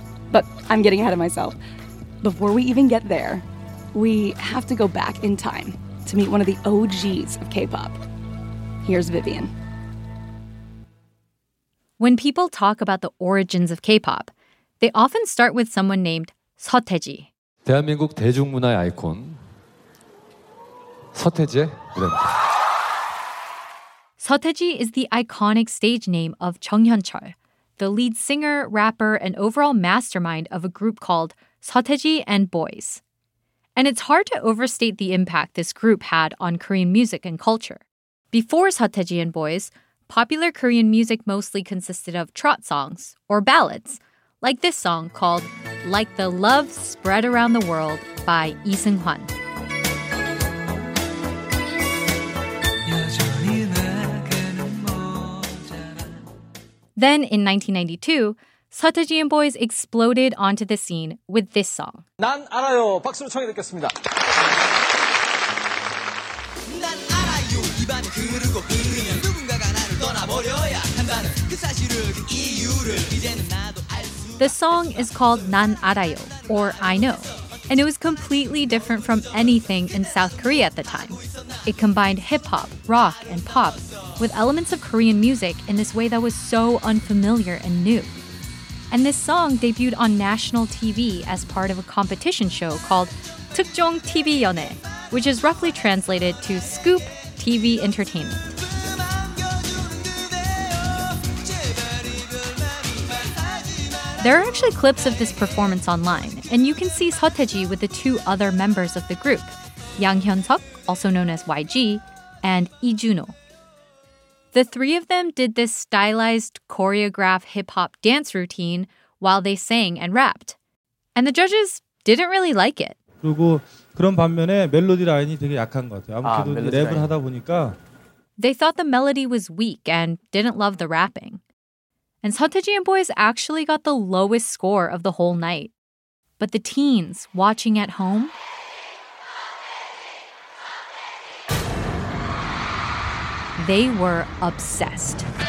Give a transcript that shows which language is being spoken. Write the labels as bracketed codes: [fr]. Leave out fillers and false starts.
[en] But I'm getting ahead of myself. Before we even get there, we have to go back in time to meet one of the OGs of K-pop. Here's Vivian. When people talk about the origins of K-pop, they often start with someone named 서태지. [ko] 대한민국 대중문화의 아이콘, 서태지. [en] 서태지 is the iconic stage name of 정현철, the lead singer, rapper, and overall mastermind of a group called 서태지 and Boys. And it's hard to overstate the impact this group had on Korean music and culture. Before 서태지 and Boys, popular Korean music mostly consisted of trot songs or ballads, like this song called Like the Love Spread Around the World by Lee Seung-hwan. Then in 1992, 서태지 and Boys exploded onto the scene with this song. [ko] 난 알아요. 박수로 청해 듣겠습니다. 난 알아요. 입안 그르고 비우면 누군가가 나를 떠나버려야 한다는 그 사실을 그 이유를 이제는 나도 알 수. [en] The song is called 난 알아요, or I Know, and it was completely different from anything in South Korea at the time. It combined hip-hop, rock, and pop with elements of Korean music in this way that was so unfamiliar and new. And this song debuted on national TV as part of a competition show called 특종 TV 연애, which is roughly translated to Scoop TV Entertainment. There are actually clips of this performance online, and you can see 서태지 with the two other members of the group, Yang Hyun-suk, also known as YG, and Lee Jun-ho. The three of them did this stylized, choreographed hip-hop dance routine while they sang and rapped. And the judges didn't really like it. [ko] 그리고 그런 반면에 멜로디 라인이 되게 약한 것 같아요. 아무래도 랩을 하다 보니까. [en] They thought the melody was weak and didn't love the rapping. And 서태지 and Boys actually got the lowest score of the whole night. But the teens watching at home, they were obsessed.